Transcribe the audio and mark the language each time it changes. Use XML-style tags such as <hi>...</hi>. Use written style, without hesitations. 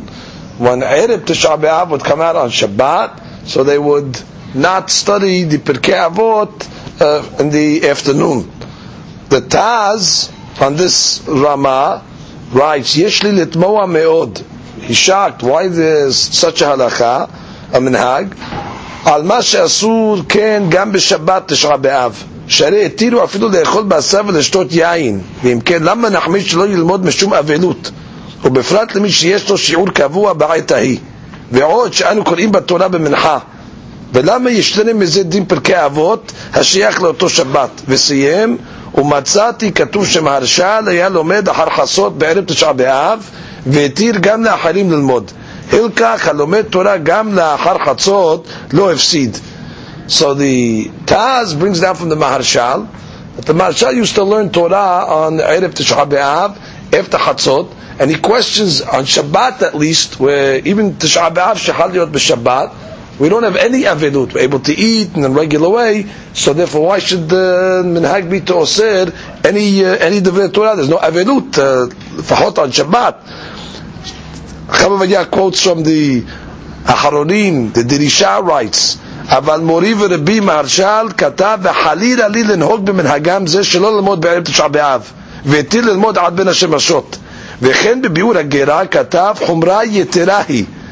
<en>When Erev Tisha B'Av would come out on Shabbat, so they would not study the Pirkei Avot in the afternoon. The Taz on this Rama writes,</en> <he>Yeshli litmoa meod.</he> <en>He's shocked. Why there's such a halakha, a minhag?</en> <he>Al ma she'asur ken gam b'Shabbat Tisha B'Av. שרי התירו אפילו לאכול בעשה ולשתות יין, ואם כן, למה נחמיד שלא ילמוד משום אבלות, ובפרט למי שיש לו שיעור קבוע בעת ההיא, ועוד שאנו קוראים בתורה במנחה, ולמה ישתנה מזה דין פרקי אבות, השייך לאותו שבת, וסיים, ומצאתי כתוב שמהרשאל היה לומד אחר חסות בערב תשעה באב, והתיר גם לאחרים ללמוד, אל כך הלומד תורה גם לאחר חצות לא הפסיד.</he> <en>So the Taz brings down from the Maharshal that the Maharshal used to learn Torah on Erev Tisha B'Av after Chatzot, and he questions on Shabbat at least, where even Tisha B'Av</en> <he>shechal yot b'Shabbat,</he> <en>we don't have any avilut, we're able to eat in a regular way, so therefore why should the minhag be to osir any divrei Torah? There's no avilut fahot on Shabbat. Chav Avadia quotes from the Acharonim, the Dirisha writes,</en> <he>אבל מורי ורבי מהרשאל כתב וחלילה לי לנהוג במנהגם זה שלא ללמוד בערב תשעה באב והתיר ללמוד עד בין השמשות וכן בביאור הגרה כתב חומרה יתרה היא</he>